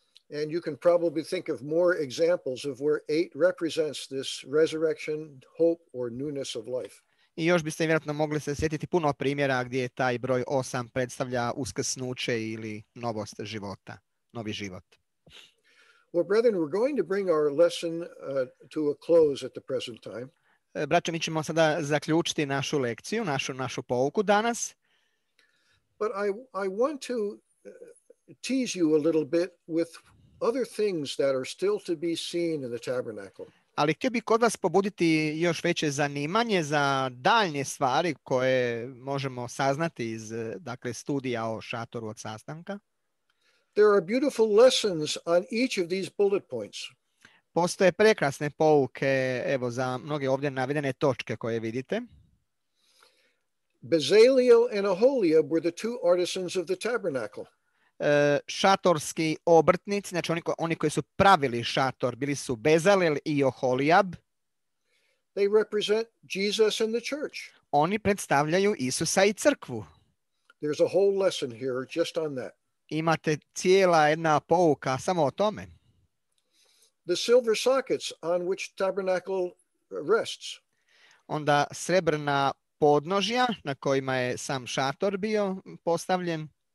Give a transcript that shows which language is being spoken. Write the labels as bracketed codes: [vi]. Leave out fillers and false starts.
[en] And you can probably think of more examples of where 8 represents this resurrection, hope or newness of life. [hr] I još biste vjerojatno mogli se sjetiti puno primjera gdje taj broj 8 predstavlja uskrsnuće ili novost života, novi život. [en] Well, brethren, we're going to bring our lesson to a close at the present time. [hr] Braćo, mi ćemo sada zaključiti našu lekciju, našu pouku danas. [en] But I want to tease you a little bit with other things that are still to be seen in the tabernacle. [hr] Ali htio bih kod vas pobuditi još veće zanimanje za daljnje stvari koje možemo saznati iz, dakle, studija o šatoru od sastanka. [en] There are beautiful lessons on each of these bullet points. [hr] Postoje prekrasne pouke, evo, za mnoge ovdje navedene točke koje vidite. [en] Bezaliel and Aholiab were the two artisans of the tabernacle. [hr] Šatorski obrtnici, znači oni koji su pravili šator, bili su Bezalel i Oholijab. [en] They represent Jesus and the church. [hr] Oni predstavljaju Isusa i crkvu. [en] There's a whole lesson here just on that. [hr] Imate cijela jedna pouka samo o tome. [en] The silver sockets on which tabernacle rests. [hr] Onda srebrna podnožja na kojima je sam šator bio postavljen.